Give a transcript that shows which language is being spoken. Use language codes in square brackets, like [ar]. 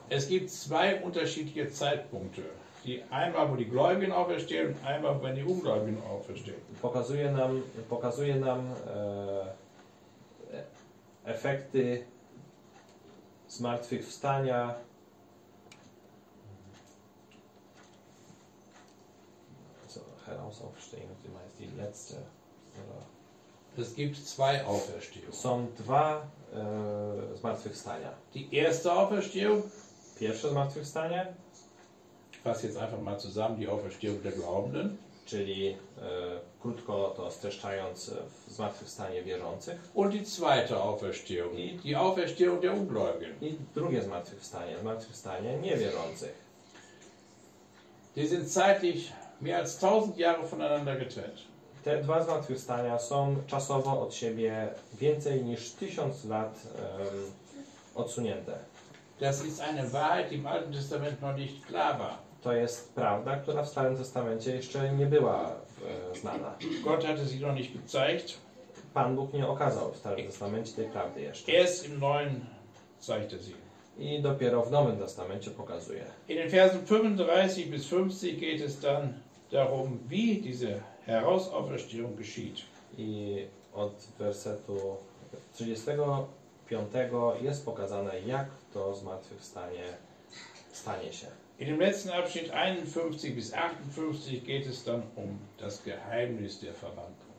[de] Es gibt zwei unterschiedliche Zeitpunkte. Die einmal, wo die Gläubigen auferstehen, und einmal, wenn die Ungläubigen auferstehen. [pl] Pokazuje nam efekty zmartwychwstania. [de] So, Herausauferstehung, die meint die letzte. Es gibt zwei Auferstehungen. [pl] Są dwa zmartwychwstania. [de] Die erste Auferstehung. [pl] Pierwsze zmartwychwstanie. [de] Fass jetzt einfach mal zusammen die Auferstehung der Glaubenden. [pl] Czyli krótko to streszczając zmartwychwstanie wierzących. [de] Und die zweite Auferstehung, die Auferstehung der Ungläubigen. [pl] I drugie zmartwychwstanie niewierzących. [de] Die sind zeitlich mehr als 1000 Jahre voneinander getrennt. [pl] Te dwa zmartwychwstania są czasowo od siebie więcej niż 1000 lat odsunięte. [de] Das ist eine Wahrheit, die im Alten Testament noch nicht klar war. [pl] To jest prawda, która w Starym Testamencie jeszcze nie była znana. [de] Gott hatte sie noch nicht gezeigt. [pl] Pan Bóg nie okazał w Starym Testamencie tej prawdy jeszcze. [de] Erst im Neuen zeigt er sie. [pl] I dopiero w Nowym Testamencie pokazuje. [de] In den Versen 35 bis 50 geht es dann darum, wie diese Herausauferstehung geschieht. [pl] I od wersetu 35 jest pokazane, jak to zmartwychwstanie stanie się. [de] In dem letzten Abschnitt 51 bis 58 geht es dann um das Geheimnis der Verwandlung.